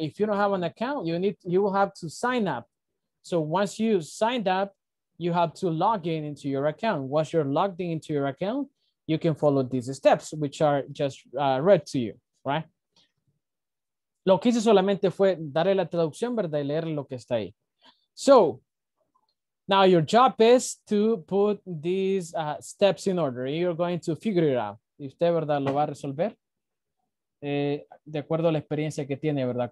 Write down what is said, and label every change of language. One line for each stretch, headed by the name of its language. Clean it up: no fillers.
English: If you don't have an account, you will have to sign up. So once you signed up, you have to log in into your account. Once you're logged in into your account, you can follow these steps, which are just read to you, right?
Spanish: Lo que hice solamente fue darle la traducción, ¿verdad? Y leer lo que está ahí.
English: So, now your job is to put these steps in order. You're going to figure it out.
Spanish: Y usted, ¿verdad? Lo va a resolver de acuerdo a la experiencia que tiene, ¿verdad?